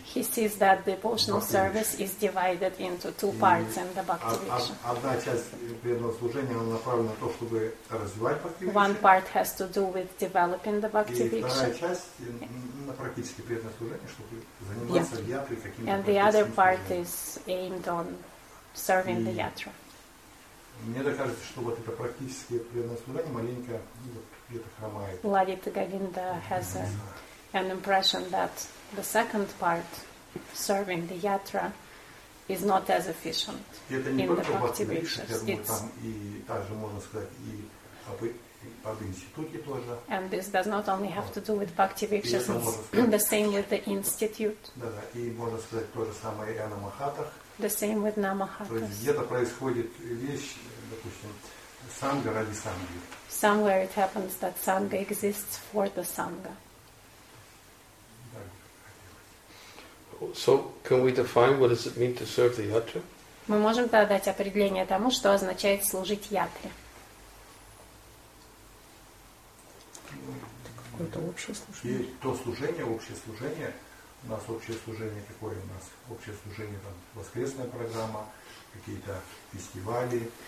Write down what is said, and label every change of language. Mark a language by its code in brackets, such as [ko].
[en] He sees that the devotional service is divided into two parts in the Bhakti Riksha. [ru] Одна часть преданного служения, она направлена на то, чтобы развивать Bhakti Riksha. [en] One part has to do with developing the Bhakti Riksha. [ru] И вторая часть на практическое преданное служение, чтобы заниматься ятрой каким-то. [en] And the other part is aimed on serving the yatra. [ru] Мне так кажется, что вот это практическое преданное служение маленько где-то хромает. [en] Лалита Говинда has an impression that the second part, serving the yatra, is not as efficient in the Bhakti Riksha. [ru] Это не только Bhakti Riksha, я думаю, там и также можно сказать и об институте тоже. [en] And this does not only have to do with Bhakti Riksha, the same with the institute. [ru] Да, и можно сказать то же самое и о намахатах. [en] The same with Namahatas. [ru] То есть где-то происходит вещь, допустим, санга ради санги. Somewhere it happens that sangha exists for the sangha. [en] So can we define what does it mean to serve the yatra? [ru] Мы можем дать определение тому, что означает служить ятре. Какое-то общее служение. Есть то служение, общее служение. У нас общее служение какое? У нас общее служение, там, воскресная программа, какие-то фестивали.